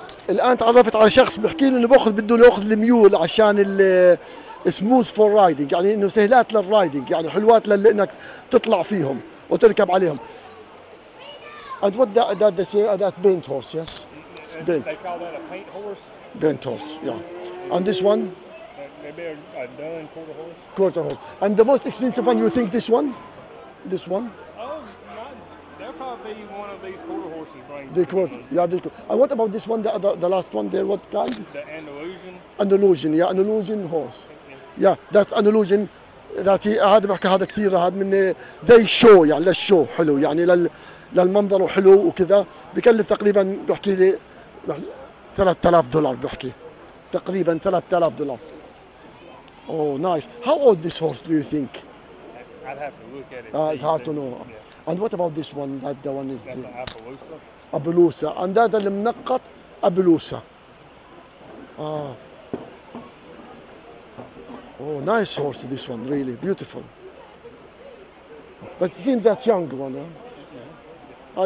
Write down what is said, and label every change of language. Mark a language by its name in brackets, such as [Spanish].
[Arabic] الآن تعرفت على شخص بحكي له إنه بأخذ بده ياخذ الميول عشان ال [English] smooth for riding, [Arabic] يعني إنه سهلات للرايدنج، يعني حلوات لإنك تطلع فيهم وتركب عليهم. [English] And what that they say that paint horse, yes? Bent. They call that a paint horse. Bent horse, yeah. And this one? Maybe a dun quarter horse. Quarter horse. And the most expensive one, you think this one? This one? They'll probably be one of these quarter horses. The quarter, yeah, the quarter. And what about this one, the last one there, what kind? The Andalusian. Andalusian, yeah, Andalusian horse. Yeah, that's Andalusian. That he, [Arabic] هذا بحكي هذا كثير هذا من [English] they show [Arabic] يعني للشو حلو يعني للمنظر وحلو وكذا بكلف تقريبا بحكي لي $3,000 بحكي تقريبا $3,000. [English] Oh nice. How old this horse do you think? I'd have to look at it. It's hard to know. Yeah. And what about this one? That the one is. That's an Appaloosa. Appaloosa. And that the [Arabic] المنقط [English] Appaloosa. Oh, nice horse this one, really beautiful. But it seems that young one, huh?